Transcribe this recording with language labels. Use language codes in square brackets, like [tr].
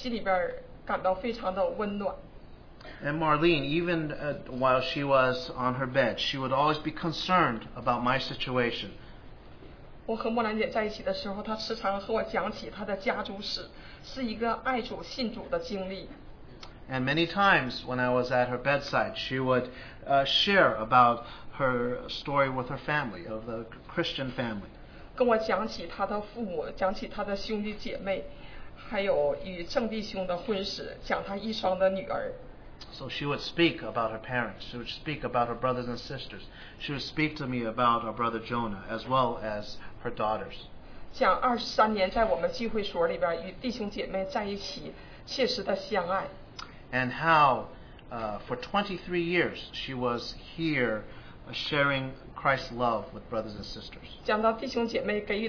[zh] 木兰姐在她重病床上的时候，她一直也关心着我的疾病的治疗情况，也关心我的身份问题，这让我心里边感到非常的温暖。 [en] And Marlene, even while she was on her bed, she would always be concerned about my situation. [zh] 我和莫兰姐在一起的时候，她时常和我讲起她的家族史，是一个爱主信主的经历。 [en] And many times when I was at her bedside, she would share about her story with her family, of the Christian family. [zh] 跟我讲起她的父母，讲起她的兄弟姐妹，还有与郑弟兄的婚史，讲她一双的女儿。 [en] So she would speak about her parents, she would speak about her brothers and sisters, she would speak to me about our brother Jonah, as well as her daughters. [zh] 讲23年在我们聚会所里边与弟兄姐妹在一起切实的相爱。 [en] And how for 23 years she was here sharing Christ's love with brothers and sisters.